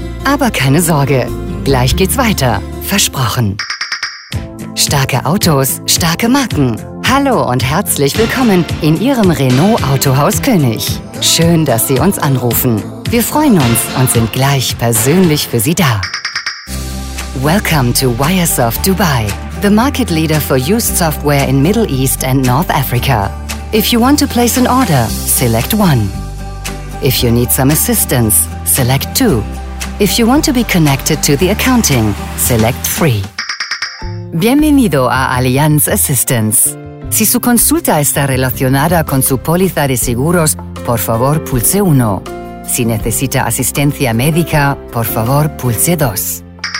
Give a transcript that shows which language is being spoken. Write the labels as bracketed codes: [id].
[de] Aber keine Sorge, gleich geht's weiter. Versprochen. Starke Autos, starke Marken. Hallo und herzlich willkommen in Ihrem Renault Autohaus König. Schön, dass Sie uns anrufen. Wir freuen uns und sind gleich persönlich für Sie da. [en] Welcome to Wiresoft Dubai, the market leader for used software in Middle East and North Africa. If you want to place an order, select 1. If you need some assistance, select 2. If you want to be connected to the accounting, select 3. [es] Bienvenido a Allianz Assistance. Si su consulta está relacionada con su póliza de seguros, por favor pulse 1. Si necesita asistencia médica, por favor pulse 2.